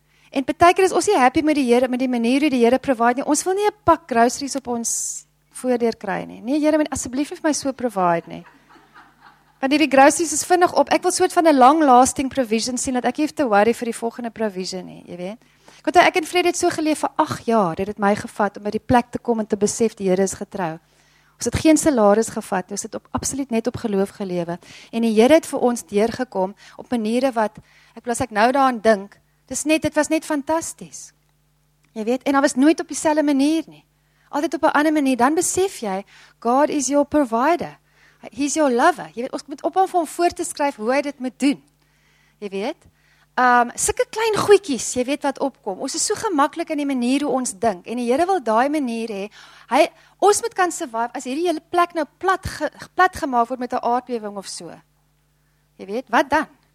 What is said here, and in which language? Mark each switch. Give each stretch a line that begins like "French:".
Afrikaans: En baie keer is ons nie happy met die Here, met die manier hoe die Here provide nie. Ons wil nie 'n pak groceries op ons voordeur kry nie. Nee, Here, men asseblief vir my so provide nie. Want hierdie groceries is vinnig op. Ek wil soort van 'n
English: long lasting provision
Afrikaans: sien, dat ek nie hoef te worry vir die volgende provision nie, jy weet. Want ek en Fred het so geleef vir 8 jaar, dit het my gevat om by die plek te kom en te besef die Here is getrou. Ons het geen salaris gevat, ons het op absoluut net op geloof gelewe. En die Here het vir ons deurgekom op maniere wat, ek as ek nou daaraan dink, dit was net fantasties. Jy weet, en al was nooit op dieselfde manier nie. Altijd op 'n ander manier, dan besef jy,
English: God is your provider. He's your lover.
Afrikaans: Jy weet, ons moet ophou om voor te skryf hoe hy dit moet doen. Jy weet, sulke klein goedjies, jy weet wat opkom. Ons is so gemaklik in die manier hoe ons dink. En die Here wil daai manier hê. Hy, ons moet kan survive, as hierdie hele plek nou plat gemaak word met 'n aardbewing of so. Jy weet, wat dan?